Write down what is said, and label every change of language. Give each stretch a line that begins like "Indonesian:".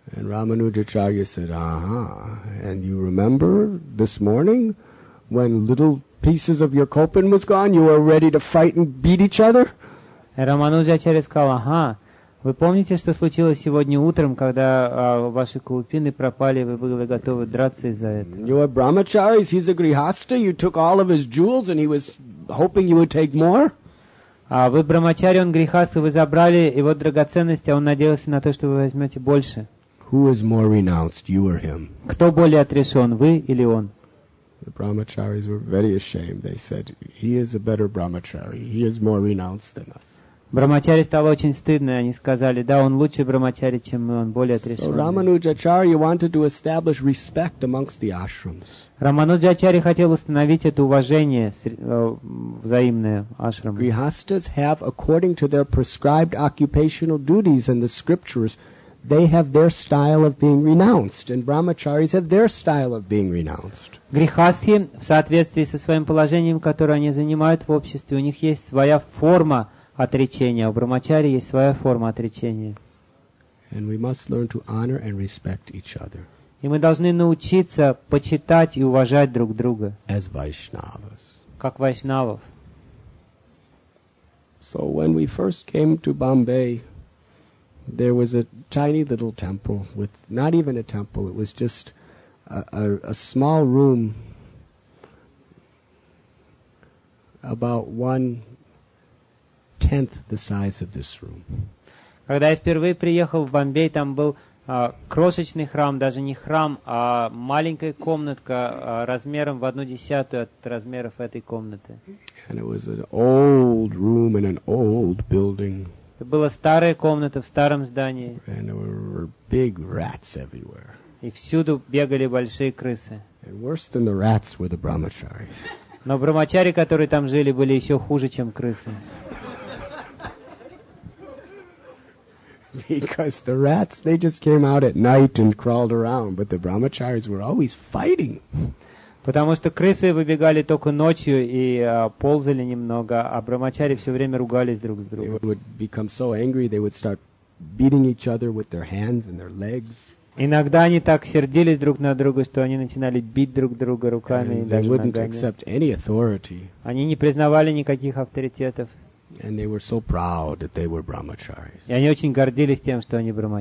English: And Ramanujacharya said, and you remember this morning when little pieces of your copan was gone, you were ready to fight and beat each other?"
Russian: Рамануджачарья сказал, вы помните, что случилось сегодня утром, когда ваши каупины пропали, вы были готовы драться из-за этого?
English: "You are brahmacharis, he's a grihastha, you took all of his jewels and he was hoping you would take more?"
Russian: Вы брахмачари, он грихастха, вы забрали его драгоценности, а он надеялся на то, что вы возьмете больше.
English: "Who is more renounced, you or him?"
Russian: Кто более отрешен, вы или он?
English: The brahmacharis were very ashamed. They said, "He is a better brahmachari. He is more renounced than us."
Russian: Брахмачари стало очень стыдно, и они сказали, да, он лучше брахмачари, чем мы, он более отрешенный.
English: So Ramanujacharya wanted to establish respect amongst the ashrams.
Russian: Рамануджачарья хотел установить это уважение взаимное ашрам.
English: Grihasthas have, according to their prescribed occupational duties and the scriptures, they have their style of being renounced, and brahmacharis have their style of being renounced.
Russian: Грихастхи, в соответствии со своим положением, которое они занимают в обществе, у них есть своя форма отречения, у брахмачари есть своя форма отречения.
English: And we must learn to honor and respect each other.
Russian: И мы должны научиться почитать и уважать друг друга.
English: As Vaishnavas.
Russian: Как вайшнавов.
English: So when we first came to Bombay, there was a tiny little temple with not even a temple, it was just a small room about 1/10 the size of this room.
Russian: Когда я впервые приехал в Бомбей, там был крошечный храм, даже не храм, а маленькая комнатка размером в 1/10 от размеров этой комнаты.
English: And it was an old room in an old building.
Russian: Это была старая комната в старом здании.
English: And there were big rats everywhere.
Russian: И всюду бегали большие крысы.
English: And worse than the rats were the brahmacharis.
Russian: Но брахмачари, которые там жили, были еще хуже, чем крысы.
English: Because the rats, they just came out at night and crawled around, but the brahmacharis were always fighting.
Russian: Потому что крысы выбегали только ночью и ползали немного, а брахмачари все время ругались друг с другом.
English: They would become so angry, they would start beating each other with their hands and their legs.
Russian: Иногда они так сердились друг на друга, что они начинали бить друг друга руками и даже ногами. Они не признавали никаких авторитетов. И они очень гордились тем, что они